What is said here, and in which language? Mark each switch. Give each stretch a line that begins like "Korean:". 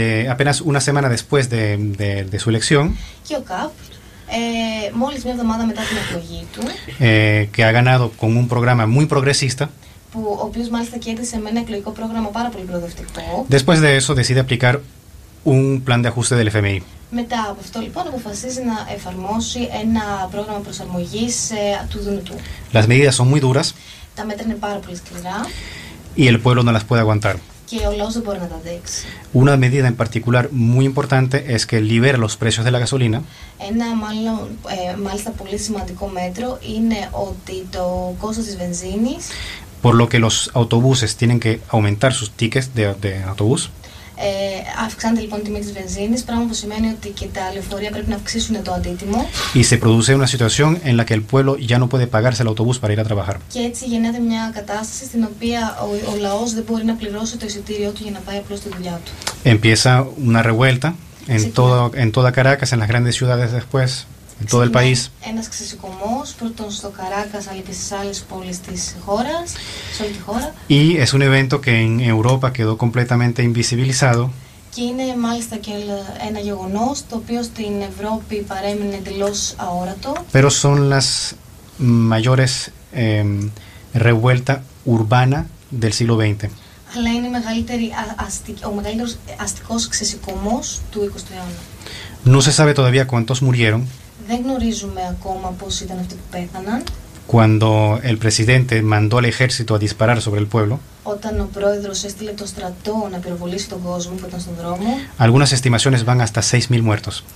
Spanish: Apenas una semana después de su elección, y el CAP,
Greek: μόλις μια εβδομάδα μετά την εκλογή του,
Spanish: que ha ganado con un programa muy progresista,
Greek: που, ο οποίος μάλιστα κέρδισε με ένα εκλογικό πρόγραμμα πάρα πολύ προοδευτικό,
Spanish: después de eso decide aplicar un plan de ajuste del FMI.
Greek: Μετά από αυτό, λοιπόν, αποφασίζει να εφαρμόσει ένα πρόγραμμα προσαρμογής του ΔΝΤ.
Spanish: Las medidas son muy duras,
Greek: τα μέτρα είναι πάρα πολύ σκληρά.
Spanish: Y el pueblo no las puede aguantar.
Greek: Και ο λαός δεν μπορεί να τα αντέξει.
Spanish: Una medida en particular muy importante es que libera los precios de la gasolina.
Greek: Ένα μάλιστα πολύ σημαντικό μέτρο είναι ότι το κόστος της βενζίνης.
Spanish: Por lo que los autobuses tienen que aumentar sus tickets de autobús.
Greek: Αυξάνεται λοιπόν η τιμή της βενζίνης, πράγμα που σημαίνει ότι και τα λεωφορεία πρέπει να αυξήσουν το αντίτιμο.
Spanish: Y se produce una situación en la que el pueblo ya no puede pagarse el autobús para ir a trabajar.
Greek: Και έτσι γεννάται μια κατάσταση στην οποία ο λαός δεν μπορεί να πληρώσει το εισιτήριό του για να πάει απλώς στη δουλειά του.
Spanish: Empieza una revuelta en toda Caracas, en las grandes ciudades después, en todo el país.
Greek: Ένας ξεσηκωμός, πρώτον στο Caracas, αλλά και στις άλλες πόλεις της χώρας, σε όλη τη χώρα.
Spanish: Y es un evento que en Europa quedó completamente invisibilizado.
Greek: Και είναι μάλιστα και ένα γεγονός, το οποίο στην Ευρώπη παρέμεινε εντελώς αόρατο.
Spanish: Pero son las mayores revuelta urbana del siglo XX.
Greek: Αλλά είναι ο μεγαλύτερος αστικός ξεσηκωμός του 20ου αιώνα.
Spanish: No se sabe todavía cuántos murieron.
Greek: Δεν γνωρίζουμε ακόμα πώς ήταν αυτοί που πέθαναν.
Spanish: Cuando el presidente mandó al ejército a disparar sobre el pueblo.
Greek: Όταν ο πρόεδρος έστειλε το στρατό να πυροβολήσει τον κόσμο που ήταν στον δρόμο.
Spanish: Algunas estimaciones van hasta 6.000 muertos.